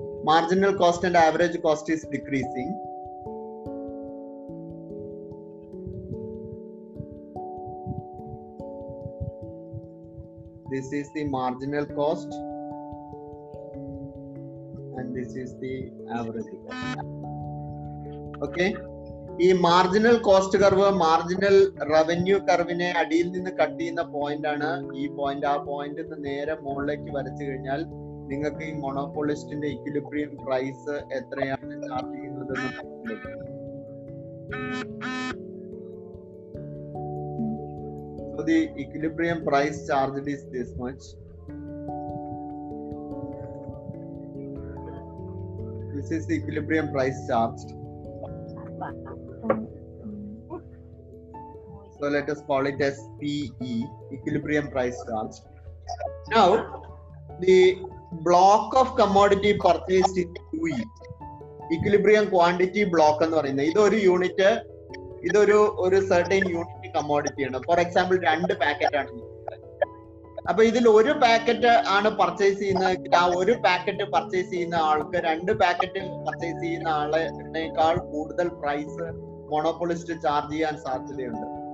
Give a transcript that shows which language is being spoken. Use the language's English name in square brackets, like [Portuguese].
[English] Marginal cost and average cost is decreasing. This is the marginal cost and this is the average cost. Okay. [Malayalam] ഈ marginal cost curve marginal revenue കർവിനെ അടിയിൽ നിന്ന് cut ചെയ്യുന്ന point ആണ്. ഈ point ആ point നേരെ മുകളിലേക്ക് വരച്ചു കഴിഞ്ഞാൽ നിങ്ങൾക്ക് ഈ മോണോപോളിസ്റ്റിന്റെ ഇക്വിലിബ്രിയം പ്രൈസ് എത്രയാണ് ചാർജ് ചെയ്യുന്നത്. [English] Equilibrium price charged is this much, This is the equilibrium price charged. So let us call it as PE, equilibrium price charged. Now, the block of commodity purchased is QE. [Malayalam] Equilibrium quantity block എന്ന് പറയുന്നത് ഇതൊരു unit ഇതൊരു ഒരു certain unit commodity ആണ്. [English] for example [Malayalam] രണ്ട് packet ആണ്. അപ്പൊ ഇതിൽ ഒരു പാക്കറ്റ് ആണ് പർച്ചേസ് ചെയ്യുന്നതെങ്കിൽ ആ ഒരു പാക്കറ്റ് പർച്ചേസ് ചെയ്യുന്ന ആൾക്ക് രണ്ട് പാക്കറ്റ് പർച്ചേസ് ചെയ്യുന്ന ആളിനേക്കാൾ കൂടുതൽ പ്രൈസ് മോണോപോളിസ്റ്റ് ചാർജ് ചെയ്യാൻ സാധ്യതയുണ്ട്.